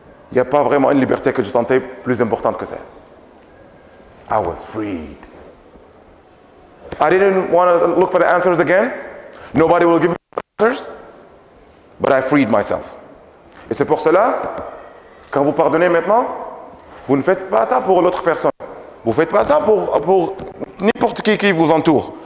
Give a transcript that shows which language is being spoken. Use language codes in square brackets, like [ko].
[fr] Il n'y a pas vraiment une liberté que je sentais plus importante que ça. [en] I was freed. I didn't want to look for the answers again. Nobody will give me answers. But I freed myself. [fr] Et c'est pour cela, quand vous pardonnez maintenant, vous ne faites pas ça pour l'autre personne. Vous ne faites pas ça pour n'importe qui vous entoure.